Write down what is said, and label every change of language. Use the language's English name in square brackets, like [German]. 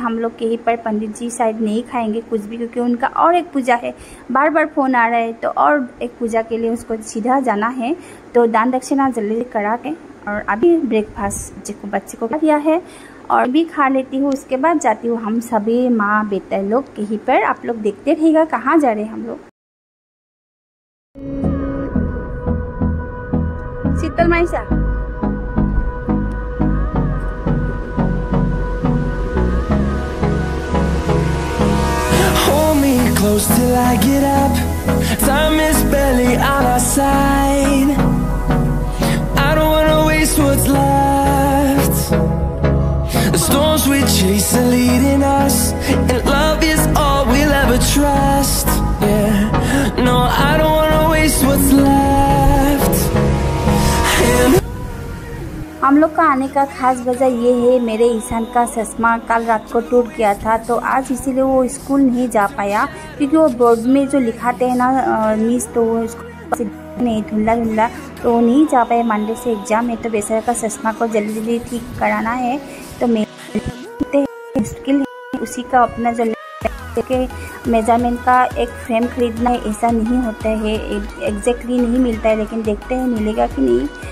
[Hindi] हम लोग कहीं पर पंडित जी शायद नहीं खाएंगे कुछ भी, क्योंकि उनका और एक पूजा है, बार बार फोन आ रहा है, तो और एक पूजा के लिए उसको सीधा जाना है। तो दान दक्षिणा जल्दी करा के, और अभी ब्रेकफास्ट जिसको बच्चे को दिया है और भी खा लेती हूँ, उसके बाद जाती हूँ हम सभी माँ बेटे लोग कहीं पर। आप लोग देखते रहिएगा कहाँ जा रहे हैं हम लोग। [English] शीतल माइसा Hold me close till I get up, time is barely on our side, I don't wanna waste what's left, the storms we chase are leading us, and love is all we'll ever trust, yeah, no, I don't wanna waste what's left. [Hindi] हम लोग का आने का खास वजह ये है, मेरे ईशान का चश्मा कल रात को टूट गया था, तो आज इसीलिए वो स्कूल नहीं जा पाया, क्योंकि वो बोर्ड में जो लिखाते हैं ना मिस, तो वो नहीं धुंधला धुंधला, तो नहीं जा पाए मंडे से एग्जाम है। तो बेचारे का चश्मा को जल्दी जल्दी ठीक कराना है, तो मुश्किल है उसी का अपना जो के मेजरमेंट का एक फ्रेम खरीदना है, ऐसा नहीं होता है, एग्जैक्टली नहीं मिलता है, लेकिन देखते हैं मिलेगा कि नहीं।